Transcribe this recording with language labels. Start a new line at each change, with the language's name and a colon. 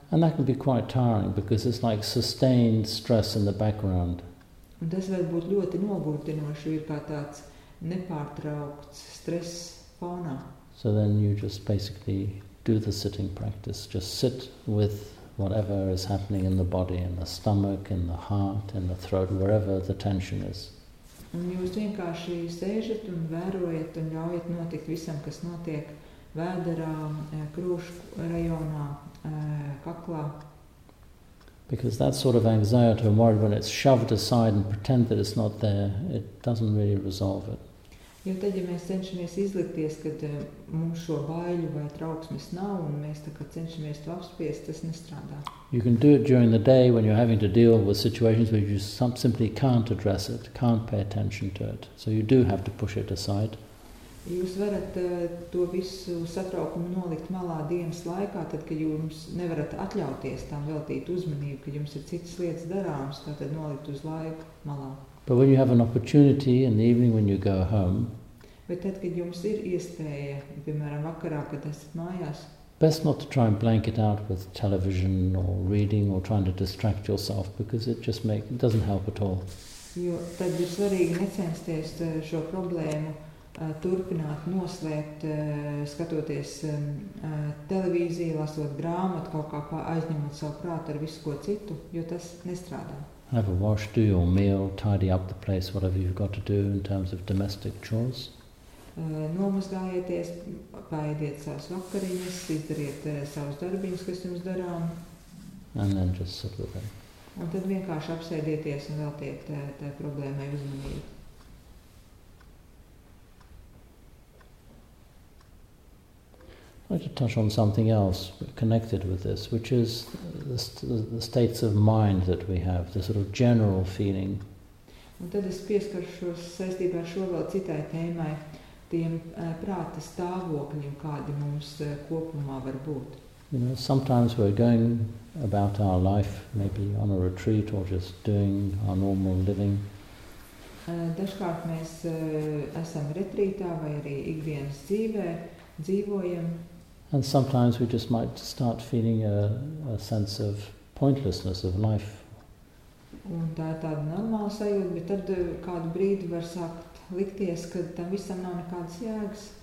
English: And that can be quite tiring, because it's like sustained stress in the background.
Latvian: Un tas var būt ļoti nogurdinoši, ir kā tāds nepārtraukts stress fonā.
English: So then you just basically do the sitting practice, just sit with whatever is happening in the body, in the stomach, in the heart, in the throat, wherever the tension is.
Latvian: Un jūs vienkārši sēžat un vērojat un ļaujat notikt visam, kas notiek vēderā, krūšu rajonā, kaklā.
English: Because that sort of anxiety and worry, when it's shoved aside and pretend that it's not there, it doesn't really resolve it.
Latvian: Jo tad, ja mēs cenšamies izlikties, kad mums šo baiļu vai trauksmes nav, un mēs tā kā cenšamies to apspiest, tas nestrādā.
English: You can do it during the day when you're having to deal with situations where you simply can't address it, can't pay attention to it. So you do have to push it aside.
Latvian: Jūs varat to visu satraukumu nolikt malā dienas laikā, tad, kad jums nevarat atļauties tam veltīt uzmanību, kad jums ir citas lietas darāmas, tā tad nolikt uz laiku malā.
English: But when you have an opportunity in the evening when you go home,
Latvian: bet tad, kad jums ir iespēja, piemēram, vakarā, kad esat mājās,
English: best not to try and blanket out with television or reading or trying to distract yourself, because it doesn't help at all.
Latvian: Jo tad ir svarīgi necensties šo problēmu turpināt, noslēpt, skatoties televīziju, lasot grāmatu, kaut kā aizņemot savu prātu ar visu ko citu, jo tas nestrādā.
English: Have a wash, do your meal, tidy up the place, whatever you've got to do in terms of domestic chores.
Latvian: Nomazgājieties, paēdiet savas vakariņas, izdariet savas darbiņas, kas jums darām.
English: And then just sit with it.
Latvian: Un tad vienkārši apsēdieties un veltiet tā problēmai uzmanību.
English: I'd like to touch on something else connected with this, which is the states of mind that we have, the sort of general feeling.
Latvian: Un tad es pieskaršos saistībā ar šo vēl citai tēmai, tiem prāta stāvokļiem, kādi mums kopumā var būt.
English: You know, sometimes we're going about our life, maybe on a retreat or just doing our normal living.
Latvian: Dažkārt mēs esam retrītā vai arī ikdienas dzīvē dzīvojam.
English: And sometimes we just might start feeling a sense of pointlessness of life.
Latvian: Un tā ir tāda normāla sajūta, bet tad kādu brīdi var sākt likties, ka tam visam nav nekādas jēgas.